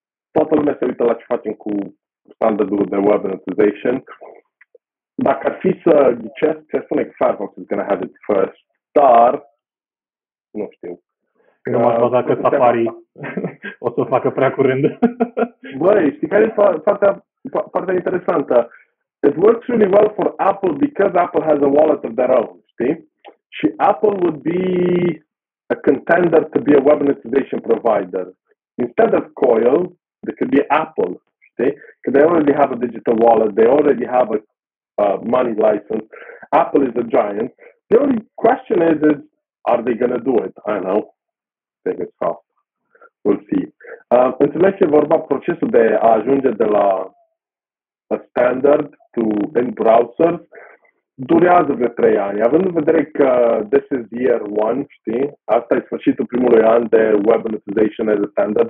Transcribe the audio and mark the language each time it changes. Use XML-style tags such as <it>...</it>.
<ro>Toată lumea se uită la ce facem cu standardul de web monetization. Dacă ar fi să ghicesc, se spune că</ro> <en>Firefox is going to have it first,</en> <ro>dar, nu știu. Nu m-aș baza că Safari o să o facă prea curând. Băi, știi care e partea interesantă?</ro> <en>It works really well for Apple because Apple has a wallet of their own, see? Și Apple would be a contender to be a web monetization provider. Instead of Coil, it could be Apple, see? Because they already have a digital wallet, they already have a money license. Apple is a giant. The only question is are they going to do it? I know. Think it's fast. We'll see.</en> <ro>Înțeleg ce vorba, procesul de a ajunge de la</ro> <en>a standard to end browser</en> <ro>durează vreo 3 ani. Având în vedere că</ro> <en>this is year 1,</en> <ro>știi? Asta e sfârșitul primului an de</ro> <en>web monetization as a standard.</en>